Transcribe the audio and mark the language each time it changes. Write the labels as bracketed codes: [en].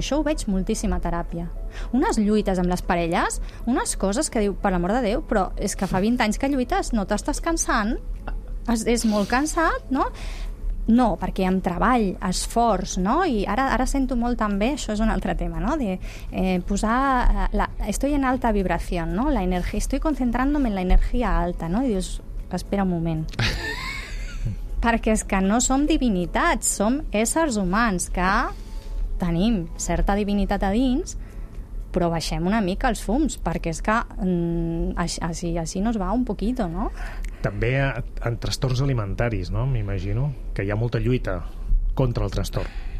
[ca] Això ho veig moltíssima teràpia. Unes lluites amb les parelles, unes coses que diu, per l'amor de Déu, però és que fa 20 anys que lluites, no t'estàs cansant? És molt cansat, no? No, perquè amb treball, esforç, no? I ara sento molt també, això és un altre tema, no? De posar... [es] Estoy en alta vibración, no? La energía. Estoy concentrándome en la energía alta, no? [ca] I dius, espera un moment. Perquè és que no som divinitats, som éssers humans que tenim certa divinitat a dins, però baixem una mica els fums, perquè és que així no es va un poquito, no? També en trastorns alimentaris, no? M'imagino que hi ha molta lluita contra el trastorn.